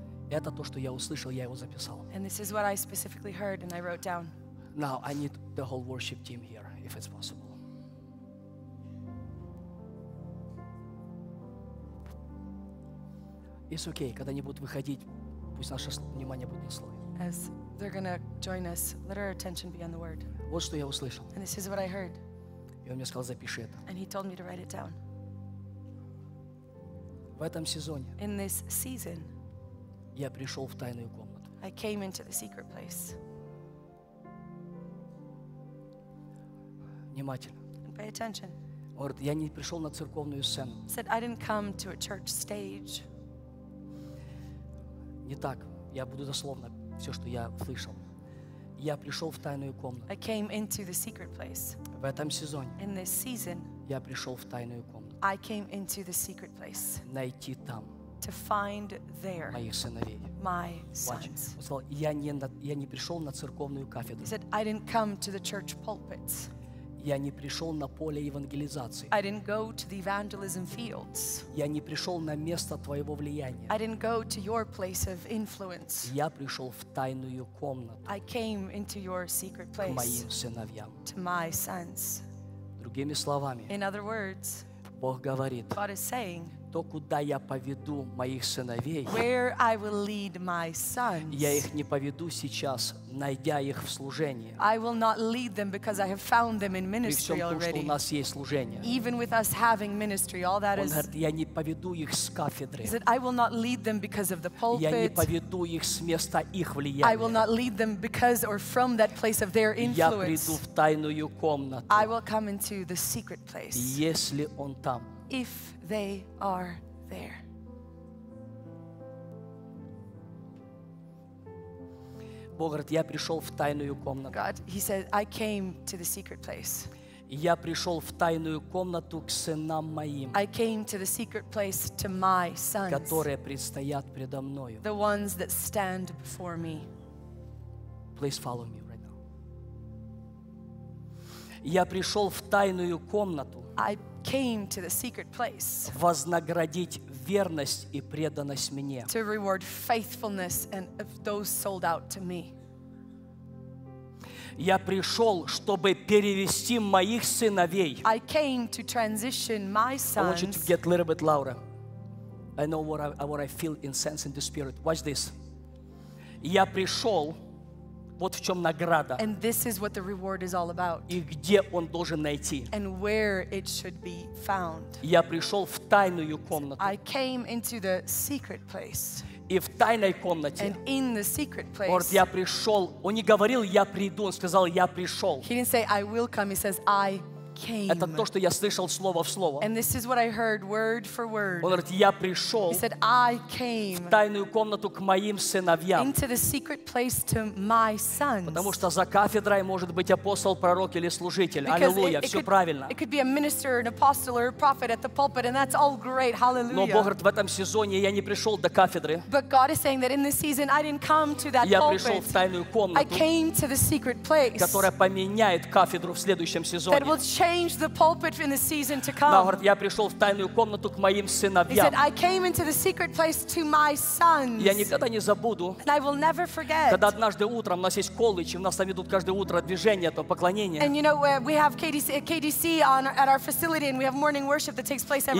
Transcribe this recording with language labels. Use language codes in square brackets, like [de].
[ru] Это то, что я услышал, я его записал. [en] And this is what I specifically heard and I wrote down. Now I need the whole worship team here, if it's possible. It's okay. [ru] Когда они будут выходить, пусть наше внимание будет на слове. [en] As they're gonna join us, let our attention be on the word. [ru] Вот что я услышал. [en] And this is what I heard. [ru] И он мне сказал, запиши это. [en] And he told me to write it down. [ru] В этом сезоне. [en] In this season. [ru] Я пришел в тайную комнату. [en] I came into the secret place. [ru] Внимательно. [en] Pay attention. [ru] Говорит, я не пришел на церковную сцену. [en] Said I didn't come to a church stage. [ru] Не так. Я буду дословно все, что я слышал. Я пришел в тайную комнату. [en] I came into the secret place. [ru] В этом сезоне. [en] In this season. [ru] Я пришел в тайную комнату. [en] I came into the secret place. [ru] Найти там. [en] To find there. [ru] Моих сыновей. [en] My sons. [ru] Он сказал, я не пришел на церковную кафедру. [en] He said I didn't come to the church pulpits. [ru] Я не пришел на поле евангелизации. [en] I didn't go to the evangelism fields. [ru] Я не пришел на место твоего влияния. [en] I didn't go to your place of influence. [ru] Я пришел в тайную комнату. [en] I came into your secret place. [ru] К моим сыновьям. [en] To my sons. [ru] Другими словами. [en] In other words. [ru] Бог говорит. [en] God is saying. [ru] то, куда я поведу моих сыновей, [en] where I will lead my sons, [ru] я их не поведу сейчас, найдя их в служении. [en] I will not lead them because I have found them in ministry already. [ru] При всем том, что у нас есть служение. [en] Even with us having ministry, all that is. [ru] Он говорит, я не поведу их с кафедры. [en] That I will not lead them because of the pulpit. [ru] Я не поведу их с места их влияния. [en] I will not lead them because or from that place of their influence. [ru] Я приду в тайную комнату. [en] I will come into the secret place. [ru] Если он там. [en] If they are there. [ru] Бог говорит, я пришел в тайную комнату. [en] God, he said, I came to the secret place. [ru] Я пришел в тайную комнату к сынам моим. [en] I came to the secret place to my sons. [ru] Которые предстоят предо мною. [en] The ones that stand before me. Please follow me right now. [ru] Я пришел в тайную комнату. [en] I came to the secret place. [ru] Вознаградить верность и преданность мне. [en] To reward faithfulness and of those sold out to me. [ru] Я пришел, чтобы перевести моих сыновей. [en] I came to transition my sons. I want you to get a little bit louder. I know what I feel in sense in the spirit. Watch this. [ru] Я пришел. Вот в чем награда. [en] And this is what the reward is all about. [ru] И где он должен найти. [en] And where it should be found. [ru] Я пришел в тайную комнату. [en] I came into the secret place. [ru] И в тайной комнате. [en] And in the secret place. [ru] Говорит, я пришел. Он не говорил, я приду. Он сказал, я пришел. [en] He didn't say, I will come. He says, I came. [ru] Это то, что я слышал слово в слово. [en] And this is what I heard word for word. [ru] Он говорит, я пришел. [en] He said, I came. [ru] В тайную комнату к моим сыновьям. [en] Into the secret place to my sons. [ru] Потому что за кафедрой может быть апостол, пророк или служитель. Аллилуйя, все правильно. [en] It could be a minister, an apostle or a prophet at the pulpit, and that's all great. Hallelujah. [ru] Но Бог говорит, в этом сезоне я не пришел до кафедры. [en] But God is saying that in this season I didn't come to that pulpit. [ru] Я пришел в тайную комнату. [en] I came to the secret place. [ru] Которая поменяет кафедру в следующем сезоне. [en] That will change the pulpit in the season to come. [ru] Говорит, я пришел в тайную комнату к моим сыновьям. [en] He said, I came into the secret place to my sons. [ru] Я никогда не забуду. [en] And I will never forget. [ru] Когда однажды утром у нас есть колледж, и у нас там идут каждое утро движение, то поклонение. [en] And you know we have KDC on at our facility, and we have morning worship that takes place every